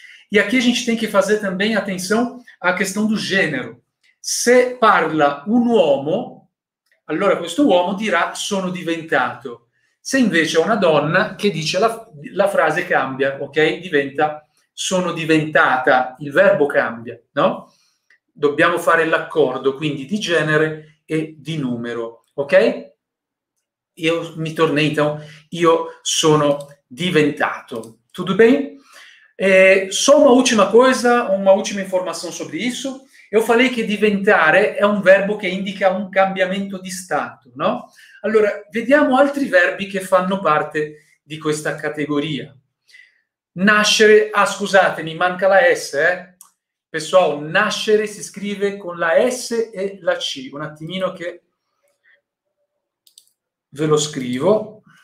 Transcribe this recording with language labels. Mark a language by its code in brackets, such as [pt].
[pt] E aqui a gente tem que fazer também atenção à questão do gênero. [it] Se parla un uomo, allora questo uomo dirà sono diventato. Se invece è una donna, che dice la frase cambia, ok? Diventa sono diventata, il verbo cambia, no? Dobbiamo fare l'accordo, quindi, di genere e di numero, ok? [pt] Io mi tornei, então, [it] io sono diventato. [pt] Tudo bem? Só uma última coisa, uma última informação sobre isso. Eu falei que diventare é um verbo que indica um [it] cambiamento de stato, [pt] no? [it] Allora, vediamo altri verbi che fanno parte di questa categoria. Nascere, ah, scusate, mi manca la S, eh? Pessoal, nascere si scrive con la S e la C. Un attimino che ve lo scrivo.